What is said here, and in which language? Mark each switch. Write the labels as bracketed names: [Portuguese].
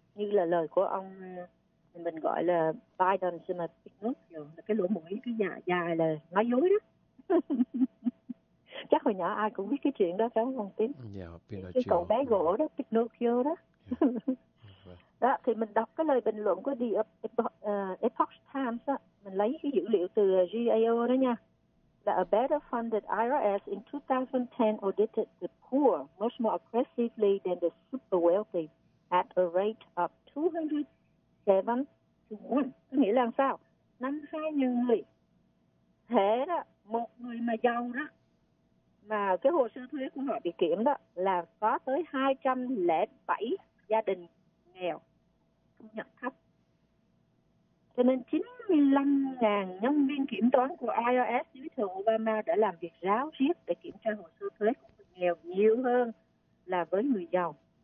[Vietnamese] như là lời của ông mình gọi là Biden xin mà là cái lỗ mũi cái dài dài là nói dối đó. Chắc hồi nhỏ ai cũng biết cái chuyện đó phải không Tiến? Cái cậu bé gỗ đó, Pinocchio đó. Đó thì mình đọc cái lời bình luận của The Epoch Times đó. Mình lấy cái dữ liệu từ GAO đó nha. [English] The a better funded IRS in 2010 audited the poor much more aggressively than the super wealthy at a rate of 207 to 1. [Vietnamese] Có nghĩa là sao? Năm 2000 thế đó, một người mà giàu đó mà cái hồ sơ thuế của họ bị kiểm đó là có tới 207 gia đình nghèo thu nhập thấp. Cho nên 95.000 nhân viên kiểm toán của IRS dưới thời Obama đã làm việc ráo riết để kiểm tra hồ sơ thuế của người nghèo nhiều hơn là với người giàu.